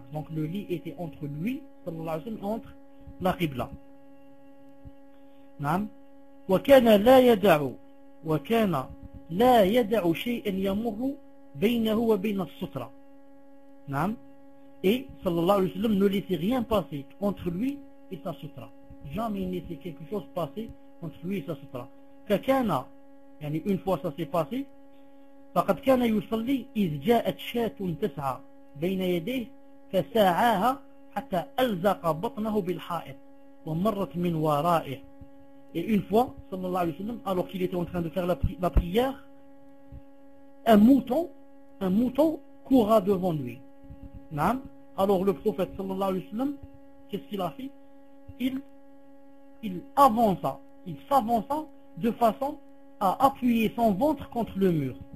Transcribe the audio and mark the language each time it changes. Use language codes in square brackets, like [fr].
[fr] Donc le lit était entre lui, entre la Qibla. Non. [ar] وكان لا يدع وكان لا يدع شيئا يمر بينه وبين السترة. [fr] Non. Et sallallahu alayhi wa sallam ne laissait rien passer entre lui et sa sutra. Jamais il ne laissait quelque chose passer entre lui et sa sutra. [ar] فكان, يعني une fois ça s'est passé, فقد كان يصلي إذ جاءت شاة تسعى بين يديه فساعاها حتى ألزق بطنه بالحائط ومرت من ورائه. [fr] Et une fois, sallallahu alayhi wa sallam, alors qu'il était en train de faire la prière, un mouton coura devant lui. Non? Alors le prophète, sallallahu alayhi wa sallam, qu'est-ce qu'il a fait? Il s'avança de façon à appuyer son ventre contre le mur.